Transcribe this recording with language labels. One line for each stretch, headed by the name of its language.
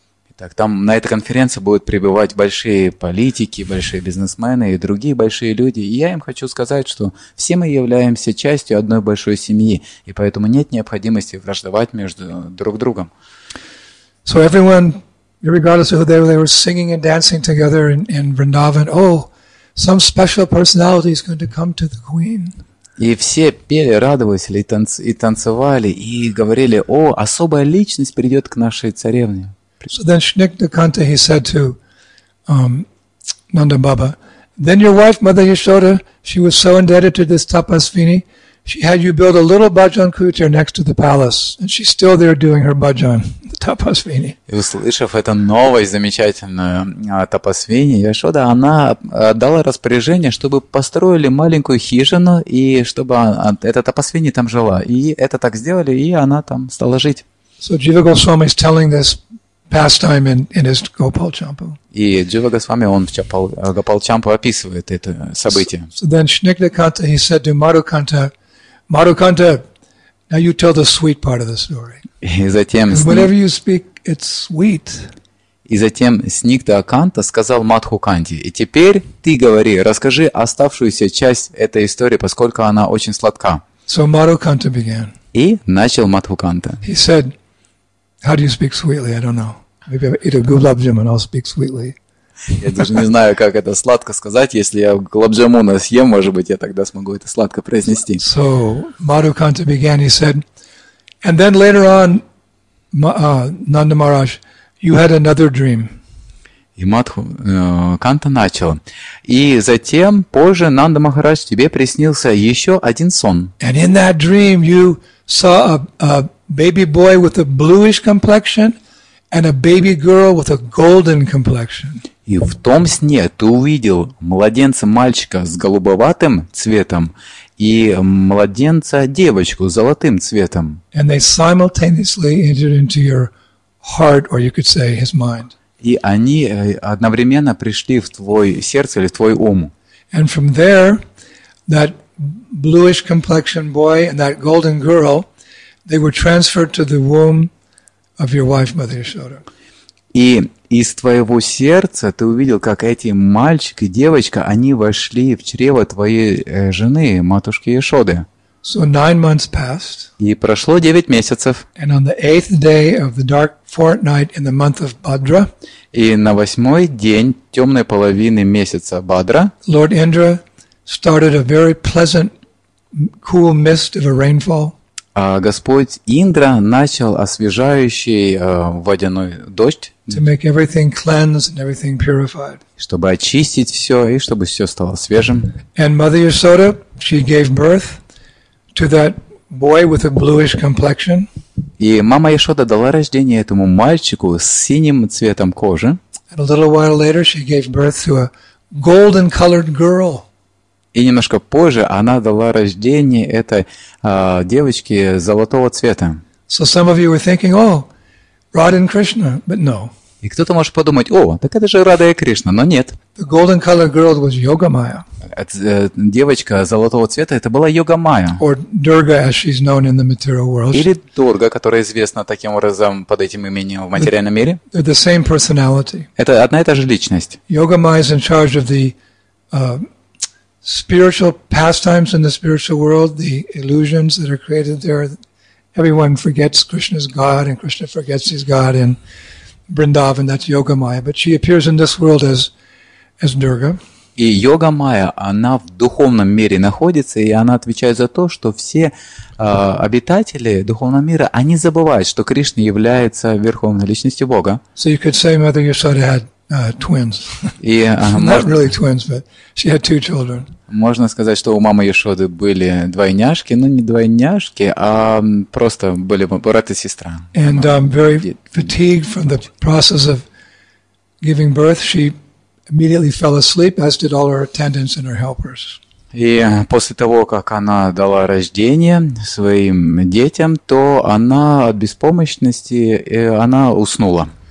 Russian: Итак, там на этой конференции будут прибывать большие политики, большие бизнесмены и другие большие люди. И я им хочу сказать, что все мы являемся частью одной большой семьи, и поэтому нет необходимости враждовать между друг другом.
English: So everyone, regardless of who they were singing and dancing together in Vrindavan, oh, some special personality is going to come to the queen.
Russian: И все пели, радовались и танцевали, и говорили, о, особая личность придет к нашей царевне.
English: So then Shniknakanta, he said to Nanda Baba, then your wife, Mother Yashoda, she was so indebted to this Tapasvini, she had you build a little bhajan kutir next to the palace, and she's still there doing her bhajan, the Tapasvini.
Russian: И услышав эту новость замечательную о Тапасвини, Яшода, она дала распоряжение, чтобы построили маленькую хижину, и чтобы эта Тапасвини там жила. И это так сделали, и она там стала жить.
English: So Jiva Goswami is telling this pastime in his Gopal Champu.
Russian: И Джива Госвами, он в Гопал Чампу описывает это событие.
English: So then Shniknakanta, he said to Marukanta, Marukanta, now you tell the sweet part of the story.
Russian: И затем
English: whenever you speak, it's sweet.
Russian: И затем Shniknakanta сказал Мадху Канте, и теперь ты говори, расскажи оставшуюся часть этой истории, поскольку она очень сладка.
English: So Marukanta began.
Russian: И начал Мадху Канта.
English: He said, how do you speak sweetly? I don't know. Maybe I eat a gulab jamun, I'll speak sweetly.
Russian: Я даже не знаю, как это сладко сказать. Если я gulab jamun съем, может быть, я тогда смогу это сладко произнести.
English: So Marukanta began, he said, and then later on, Nanda Maharaj, you had another dream.
Russian: И Мадху Канта начал. И затем, позже, Нанда Махарадж, тебе приснился еще один сон.
English: And in that dream, you saw a baby boy with a bluish complexion and a baby girl with a golden complexion.
Russian: И в том сне ты увидел младенца мальчика с голубоватым цветом и младенца девочку с золотым цветом.
English: And they simultaneously entered into your heart, or you could say his mind.
Russian: И они одновременно пришли в твой сердце или в твой ум.
English: And from there, that bluish complexion boy and that golden girl, they were transferred to the womb of your wife, Mother Yashoda.
Russian: И из твоего сердца ты увидел, как эти мальчик и девочка, они вошли в чрево твоей жены, матушки Яшоды.
English: So 9 months passed.
Russian: И прошло 9 месяцев.
English: And on the 8th day of the dark fortnight in the month of Bhadra.
Russian: И на 8-й день темной половины месяца Бадра.
English: Lord Indra started a very pleasant, cool mist of a rainfall.
Russian: А Господь Индра начал освежающий водяной дождь,
English: to make everything cleansed and everything purified.
Russian: Чтобы очистить все и чтобы все стало свежим.
English: And Mother Yashoda, she gave birth to that boy with a bluish complexion.
Russian: И мама Яшода дала рождение этому мальчику с синим цветом кожи.
English: And a little while later, she gave birth to a golden-colored girl.
Russian: И немножко позже она дала рождение этой девочке золотого цвета.
English: So some of you were thinking, oh, Radha and Krishna, but no.
Russian: И кто-то может подумать, о, так это же Радха и Кришна, но нет.
English: The golden colored girl was Yogamaya.
Russian: Девочка золотого цвета, это была Йогамая.
English: Or Durga, as she's known in the material world.
Russian: Или Дурга, которая известна таким образом под этим именем в материальном мире.
English: They're the same personality.
Russian: Это одна и та же личность.
English: Yogamaya is in charge of the spiritual pastimes in the spiritual world, the illusions that are created there. Everyone forgets Krishna's God, and Krishna forgets his God in Vrindavan, that's Yogamaya. But she appears in this world as Durga.
Russian: И Йогамая, она в духовном мире находится, и она отвечает за то, что все обитатели духовного мира, они забывают, что Кришна является верховной личностью Бога.
English: So you could say Mother Yashoda had twins.
Russian: И,
English: really twins, but she had two children.
Russian: Можно сказать, что у мамы Яшоды были двойняшки, но не двойняшки, а просто были брат и сестра.
English: And very fatigued from the process of giving birth, she immediately fell asleep, as did all her attendants and her helpers.
Russian: И после того, как она дала рождение своим детям, то она от беспомощности она уснула.